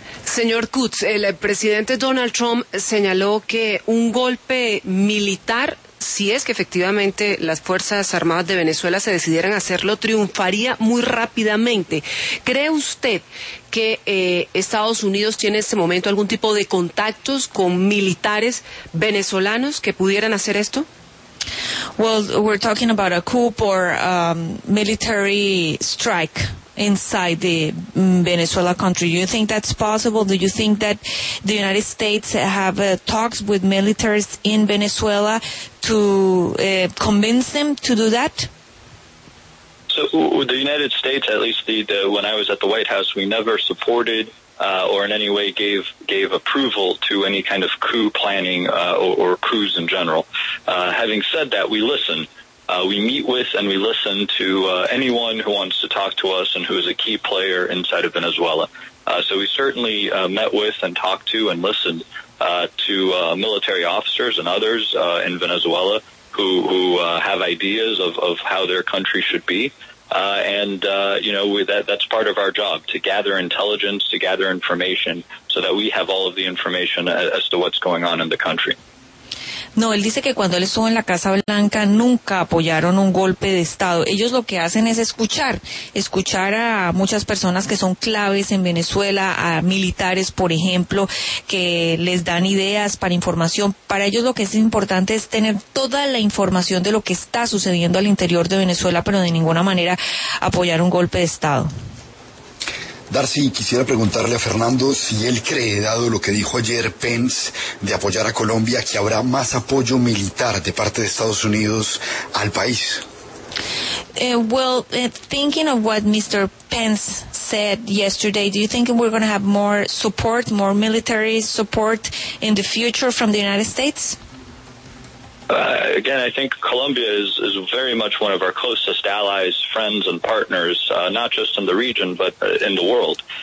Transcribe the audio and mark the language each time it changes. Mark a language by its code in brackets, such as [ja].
[es] Señor Kutz, el presidente Donald Trump señaló que un golpe militar, si es que efectivamente las Fuerzas Armadas de Venezuela se decidieran hacerlo, triunfaría muy rápidamente. ¿Cree usted que Estados Unidos tiene en este momento algún tipo de contactos con militares venezolanos que pudieran hacer esto? [en] Well, we're talking about a coup or military strike inside the Venezuela country. Do you think that's possible? Do you think that the United States have talks with militaries in Venezuela to convince them to do that? So the United States, at least the when I was at the White House, we never supported or in any way gave approval to any kind of coup planning or coups in general. Having said that, we listen. We meet with and we listen to anyone who wants to talk to us and who is a key player inside of Venezuela. So we certainly met with and talked to and listened to military officers and others in Venezuela who have ideas of how their country should be. That's part of our job, to gather intelligence, to gather information, so that we have all of the information as to what's going on in the country. [es] No, él dice que cuando él estuvo en la Casa Blanca nunca apoyaron un golpe de Estado. Ellos lo que hacen es escuchar a muchas personas que son claves en Venezuela, a militares, por ejemplo, que les dan ideas para información. Para ellos lo que es importante es tener toda la información de lo que está sucediendo al interior de Venezuela, pero de ninguna manera apoyar un golpe de Estado. Darcy, quisiera preguntarle a Fernando si él cree, dado lo que dijo ayer Pence de apoyar a Colombia, que habrá más apoyo militar de parte de Estados Unidos al país. [en] Thinking of what Mr. Pence said yesterday, do you think we're going to have more support, more military support in the future from the United States? Again, I think Colombia is very much one of our closest allies, friends, and partners, not just in the region, but in the world.